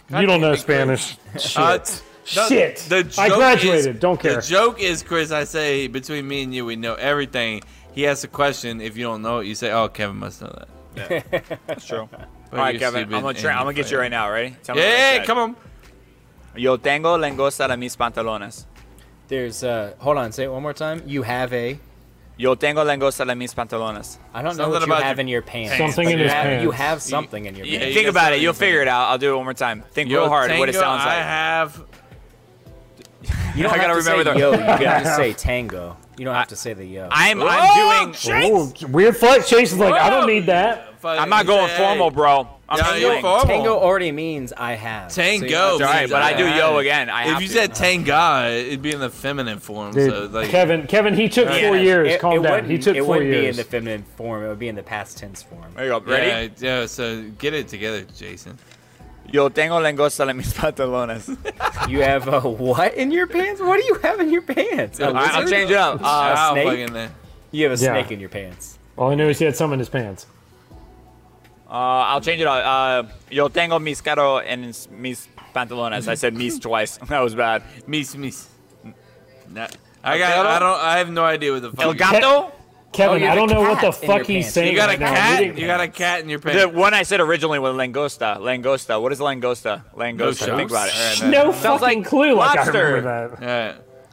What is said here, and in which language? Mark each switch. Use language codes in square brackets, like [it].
[en] You don't know Spanish. The joke I graduated. Don't care. The joke is, Chris, I say, between me and you, we know everything. He asks a question. If you don't know it, you say, oh, Kevin must know that. Yeah. That's true. All right, Kevin, I'm going to get you right now. Ready? Tell me come on. [es] Yo tengo langosta en mis pantalones. [en] Hold on. Say it one more time. You have a. [es] Yo tengo langosta en mis pantalones. [en] I don't know what you have in your pants. Something in his pants. You have something in your pants. Think about it. You'll figure it out. I'll do it one more time. Think real hard what it sounds like. I have. You don't have to remember say yo. You have to say tango. You don't have to say the yo. I'm doing. Oh, weird flex. Chase is like, I don't need that. I'm not going formal, bro. I'm going formal. Tango already means I have. Tango. That's right, but I do yo again. If you said tanga, it'd be in the feminine form. Dude, so like, Kevin, he took 4 years. Calm down. He took 4 years. It wouldn't be in the feminine form. It would be in the past tense form. There you go. Ready? Yeah, so get it together, Jason. [es] Yo tengo langosta en mis pantalones. [en] You have a what in your pants? What do you have in your pants? I'll change it up. A snake? You have a snake in your pants. All I knew is he had some in his pants. I'll change it up. [es] Yo tengo mis caro en mis pantalones. [en] I said mis twice. That was bad. Mis. I have no idea what the fuck. [es] El gato? [en] Kevin, I don't know what the fuck he's saying. You got a cat? Now. You got a cat in your pants. The one I said originally was langosta. Langosta. What is langosta? Langosta. No think about it. Right, no fucking like clue. Lobster. Like I remember that.